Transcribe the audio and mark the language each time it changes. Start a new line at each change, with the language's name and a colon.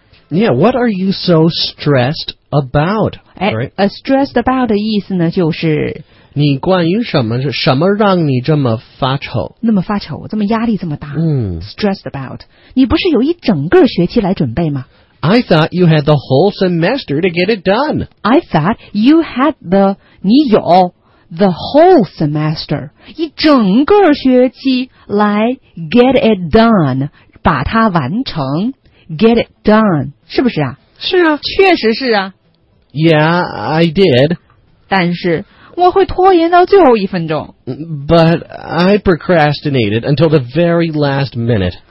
English: Yeah, what are you so stressed about? Right? Stressed about
Chinese: 的意思呢就是你关于什么让你这么发愁？那么发愁，这么压力这么大。嗯。
English: Stressed about.
Chinese: 你不是有一整个学期来准备吗？
English: I thought you had the whole semester to get it done. I thought you had the,
Chinese: 你有
English: the whole semester,
Chinese: 一整个学期来
English: get it done,
Chinese: 把它完成
English: get it done, 是不是啊？
Chinese: 是啊，确实是啊。
English: Yeah, I did.
Chinese: 但是我会拖延到最后一分钟。
English: But I procrastinated until the very last minute.